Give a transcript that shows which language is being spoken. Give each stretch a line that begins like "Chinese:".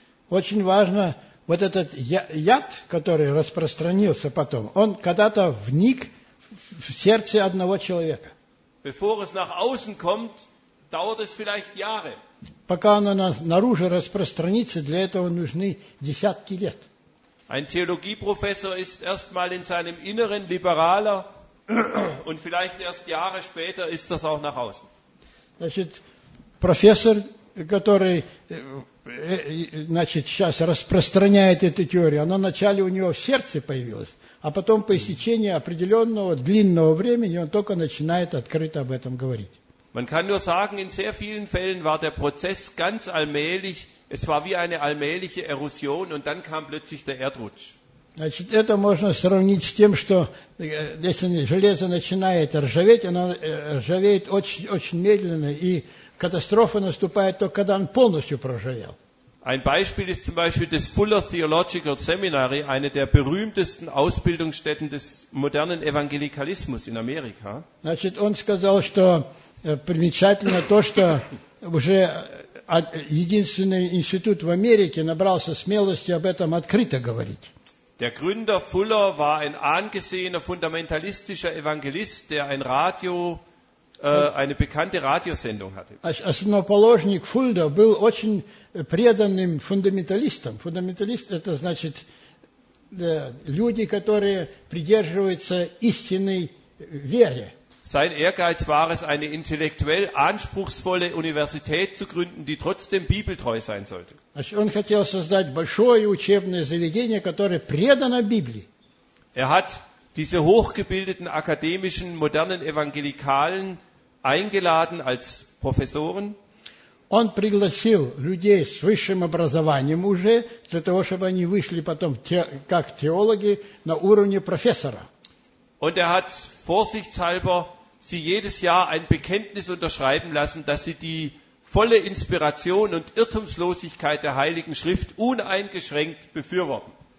Russian: Очень важно, вот этот яд, который распространился потом, он когда-то вник в сердце одного человека.
German: Bevor es nach außen kommt, dauert es vielleicht Jahre.
Russian: Пока оно наружу распространится, для этого нужны десятки лет.
German: Ein Theologieprofessor ist erstmal in seinem Inneren liberaler und vielleicht erst Jahre später ist das auch nach außen.
Russian: Значит, профессор, который значит, сейчас распространяет эту теорию, она вначале у него в сердце появилась, а потом по истечении определенного длинного времени он только начинает открыто об этом говорить.
German: Man kann nur sagen, in sehr vielen Fällen war der Prozess ganz allmählich, es war wie eine allmähliche Erosion und dann kam plötzlich der Erdrutsch.
Russian: Значит, это можно сравнить с тем, что если железо начинает ржаветь, оно ржавеет очень, очень медленно, и катастрофа наступает только когда он полностью проржавел.
German: Ein Beispiel ist zum Beispiel das Fuller Theological Seminary, eine der berühmtesten Ausbildungsstätten des modernen Evangelikalismus in Amerika.
Russian: Значит, он сказал, что примечательно то, что уже единственный институт в Америке набрался смелости об этом открыто говорить.
German: Der Gründer Fuller war ein angesehener fundamentalistischer Evangelist, der ein Radio, eine bekannte Radiosendung hatte.
Russian: Основоположник Фуллер был очень преданным фундаменталистом. Фундаменталист – это значит люди, которые придерживаются истинной веры.
German: Sein Ehrgeiz war es, eine intellektuell anspruchsvolle Universität zu gründen, die trotzdem bibeltreu sein sollte.
Russian: Он хотел создать большое учебное заведение, которое предано Библии.
German: Er hat diese hochgebildeten akademischen modernen Evangelikalen eingeladen als Professoren.
Russian: Он пригласил людей с высшим образованием уже для того, чтобы они вышли потом как теологи на уровне профессора.
German: Und hat vorsichtshalber sie jedes Jahr ein Bekenntnis unterschreiben lassen, dass sie die volle Inspiration und Irrtumslosigkeit der Heiligen Schrift uneingeschränkt befürworten.